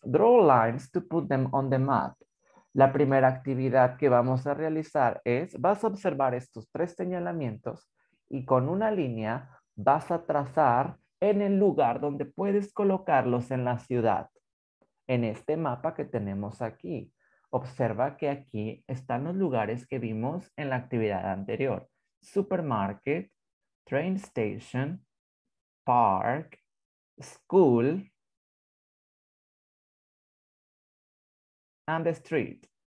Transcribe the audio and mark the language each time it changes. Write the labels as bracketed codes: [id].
[en] Draw lines to put them on the map. [es] La primera actividad que vamos a realizar es, vas a observar estos tres señalamientos y con una línea vas a trazar en el lugar donde puedes colocarlos en la ciudad. En este mapa que tenemos aquí, observa que aquí están los lugares que vimos en la actividad anterior. [en] Supermarket, train station, park, school, and the street.